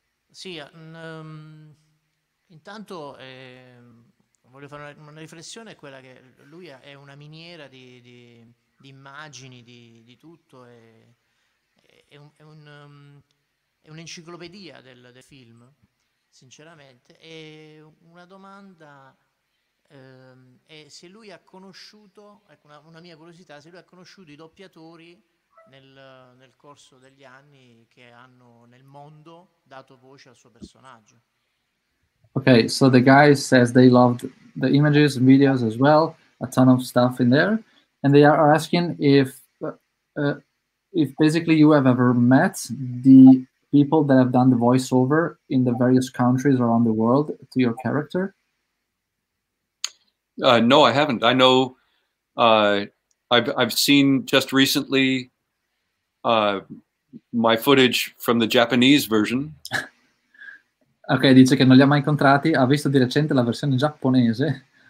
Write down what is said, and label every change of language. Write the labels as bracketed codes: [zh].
[it] Sì, intanto voglio fare una riflessione, quella che lui è una miniera di immagini, di tutto, è un'enciclopedia del film, sinceramente. E una domanda è se lui ha conosciuto, ecco una mia curiosità, se lui ha conosciuto i doppiatori nel corso degli anni che hanno nel mondo dato voce al suo personaggio. [en] Okay, so the guy says they loved the images, videos as well, a ton of stuff in there, and they are asking if basically you have ever met the people that have done the voiceover in the various countries around the world to your character. No, I haven't. I know I've seen just recently my footage from the Japanese version. [it] Ok, dice che non li ha mai incontrati, ha visto di recente la versione giapponese.